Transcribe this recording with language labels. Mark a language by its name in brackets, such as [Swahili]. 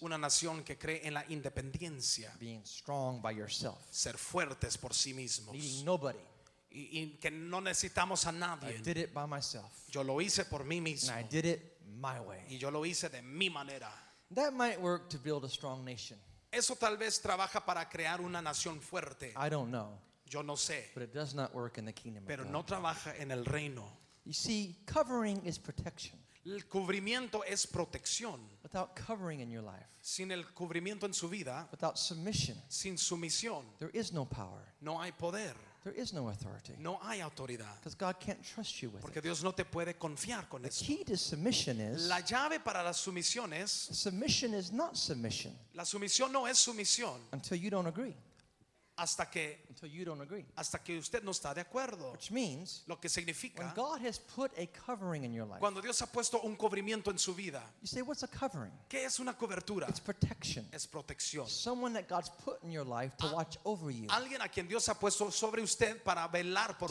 [Spanish] Una nación que cree en la independencia. [English] Being strong by yourself. [Spanish] Ser fuertes por sí mismos. [English] Needing nobody. [Spanish] Y que no necesitamos a nadie. [English] I did it by myself. [Spanish] Yo lo hice por mí mismo. [English] And I did it my way. [Spanish] Y yo lo hice de mi manera. [English] That might work to build a strong nation. [Spanish] Eso tal vez trabaja para crear una nación fuerte. [English] I don't know. [Spanish] Yo no sé. [English] But it does not work in the kingdom. [Spanish] Pero [English] of God. [Spanish] No trabaja en el reino. [English] You see, covering is protection. [Spanish] El cubrimiento es protección. [English] Without covering in your life. [Spanish] Sin el cubrimiento en su vida. [English] Without submission. [Spanish] Sin sumisión. [English] There is no power. [Spanish] No hay poder. [English] There is no authority. [Spanish] No hay autoridad. [English] Because God can't trust you with [Spanish] porque [English] it. [Spanish] Dios no te puede confiar con [English] the [Spanish] esto. [English] Key to submission is. [Spanish] La llave para la sumisión es. [English] Submission is not submission. [Spanish] La sumisión no es sumisión. [English] Until you don't agree. [Spanish] Hasta que, [English] until you don't agree. [Spanish] Hasta que usted no está de acuerdo. [English] Which means. [Spanish] Lo que significa. [English] When God has put a covering in your life. [Spanish] Cuando Dios ha puesto un cubrimiento en su vida. [English] You say, what's a covering? [Spanish] ¿Qué es una cobertura? [English] It's protection. [Spanish] Es protección. [English] Someone that God's put in your life to watch over you. [Spanish] Alguien a quien Dios ha puesto sobre usted para velar por